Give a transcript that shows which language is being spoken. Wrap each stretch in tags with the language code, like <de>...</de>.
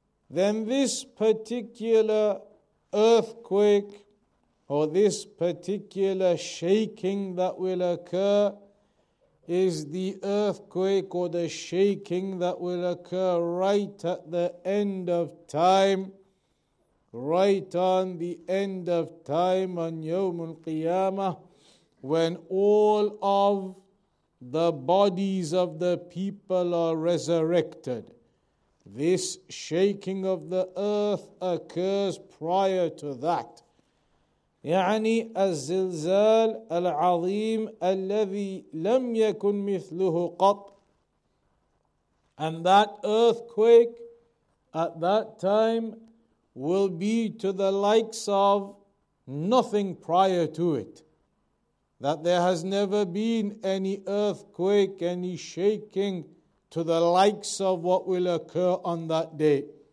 <en>Then this particular earthquake, or this particular shaking that will occur, is the earthquake or the shaking that will occur right at the end of time, right on the end of time on Yawm al-Qiyamah, when all of the bodies of the people are resurrected. This shaking of the earth occurs prior to that.</en> <ar>يعني الزلزال العظيم الذي لم يكن مثله قط.</ar> <en>And that earthquake at that time will be to the likes of nothing prior to it. That there has never been any earthquake, any shaking to the likes of what will occur on that day.</en>